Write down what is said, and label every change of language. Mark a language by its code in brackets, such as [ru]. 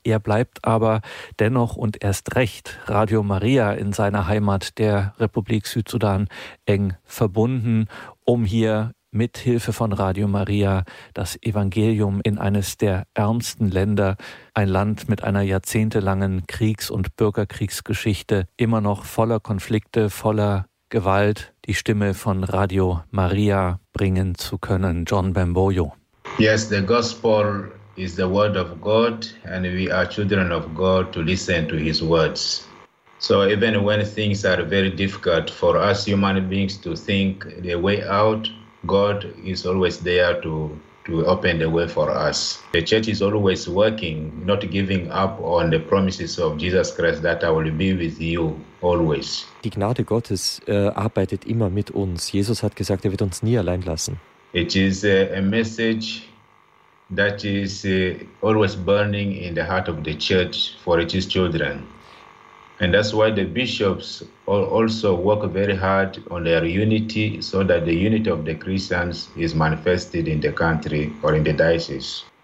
[de] Er bleibt aber dennoch und erst recht Radio Maria in seiner Heimat der Republik Südsudan eng verbunden, um hier mit Hilfe von Radio Maria das Evangelium in eines der ärmsten Länder, ein Land mit einer jahrzehntelangen Kriegs- und Bürgerkriegsgeschichte, immer noch voller Konflikte, voller Gewalt, die Stimme von Radio Maria bringen zu können. John Bemboyo. [en] Yes, the gospel is the word of God and we are children of God to listen to his words. So even when things are very difficult for us human beings to think the way out, God is always there to open the way for us. The church is always working, not giving up on the promises of Jesus Christ that I will be with you always. [de] Die Gnade Gottes arbeitet immer mit uns. Jesus hat gesagt, er wird uns nie allein lassen. [en] It is a message that is always burning in the heart of the church for its children. And that's why the bishops also work very hard on their unity so that the unity of the Christians is manifested in the country or in the diocese.